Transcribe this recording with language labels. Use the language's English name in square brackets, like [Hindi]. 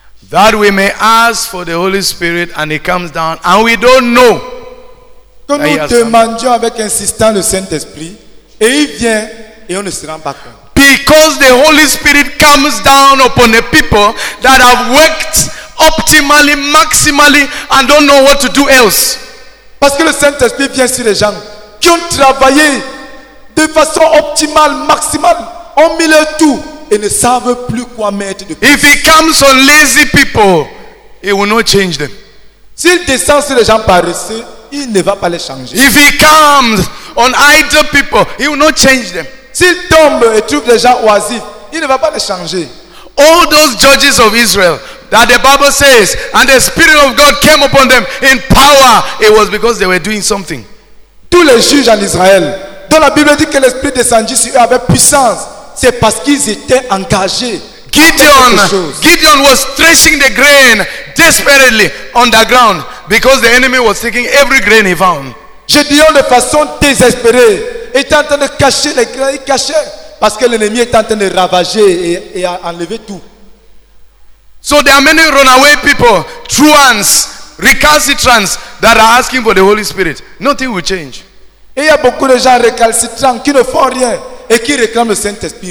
[English] That we may ask for the Holy Spirit and he comes down and we don't know. [French] Que nous demandions avec insistance le Saint-Esprit et il vient et on ne se rend pas compte. [English] Because the Holy Spirit comes down upon the people that have worked optimally, maximally, and don't know what to do else. [French] Parce que le Saint-Esprit vient sur les gens qui ont travaillé de façon optimale, maximale, ont mis le tout et ne savent plus quoi mettre de plus. [English] If he comes on lazy people, he will not change them. [French] S'il descend sur les gens paresseux, il ne va pas les changer. [English] If he comes on idle people, he will not change them. [French] S'il tombe et trouve les gens oisifs, il ne va pas les changer. [English] All those judges of Israel that the Bible says, and the Spirit of God came upon them in power, it was because they were doing something. [French] Tous les juges en Israël, dont la Bible dit que l'Esprit descendit sur eux avec puissance, c'est parce qu'ils étaient engagés. [English] Gideon was threshing the grain desperately on the ground because the enemy was taking every grain he found. [French] Gideon, de façon désespérée, était en train de cacher les grains, il cachait parce que l'ennemi était en train de ravager et enlever tout. [English] So there are many runaway people, truants, recalcitrants that are asking for the Holy Spirit. Nothing will change. [French] Et il y a beaucoup de gens récalcitrants qui ne font rien et qui réclament le Saint-Esprit.